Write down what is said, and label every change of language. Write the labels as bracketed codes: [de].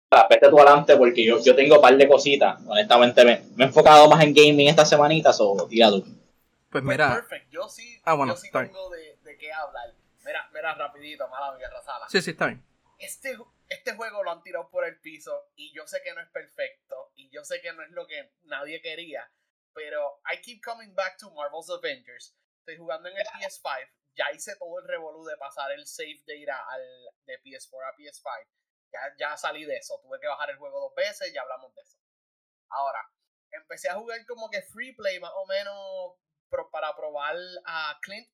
[es] Vete tú adelante, porque yo tengo un par de cositas. Honestamente, me he enfocado más en gaming esta semanita, o tira tú. Pues mira. Perfecto, yo sí tengo de qué hablar. Mira, rapidito, mala mierda, Sala. Sí, está bien. Este juego lo han tirado por el piso, y yo sé que no es perfecto, y yo sé que no es lo que nadie quería. Pero [en] I keep coming back to Marvel's Avengers. [es] Estoy jugando en el PS5. Ya hice todo el revolú de pasar el save data de PS4 a PS5. Ya salí de eso. Tuve que bajar el juego dos veces y ya hablamos de eso. Ahora, empecé a jugar como que free play más o menos para probar a Clint.